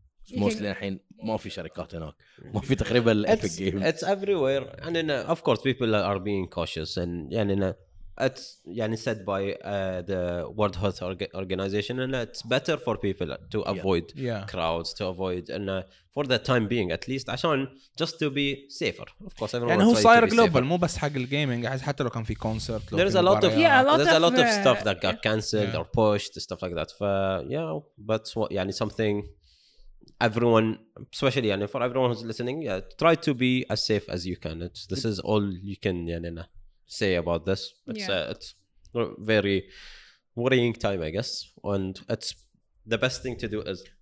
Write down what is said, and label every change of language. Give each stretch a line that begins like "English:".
Arabic: mostly الحين ما في شركات هناك ما في تقريبا Epic Games
English: it's everywhere and then of course people are being cautious and it's said by the World Health Organization and it's better for people to avoid crowds to avoid and for the time being at least عشان just to be safer of course everyone
Arabic: and هو صاير global مو بس حق الجيمينج حتى لو كان في كونسرت
English: there's a lot of stuff that got cancelled or pushed stuff like that but something everyone especially for everyone who's listening try to be as safe as you can this is all you can say about this it's a very worrying time I guess and it's the best thing to do is